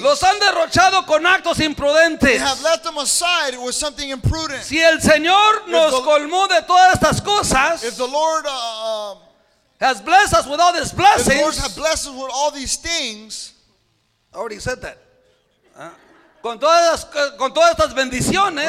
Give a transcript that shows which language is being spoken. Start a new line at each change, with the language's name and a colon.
Spanish: Los han derrochado con actos imprudentes.
English: They have left them aside with something imprudent.
Spanish: Si el Señor nos colmó de todas estas cosas.
English: If the Lord has blessed us with all these blessings. The Lord has blessed us with all these things. I already said that.
Spanish: Con todas estas bendiciones.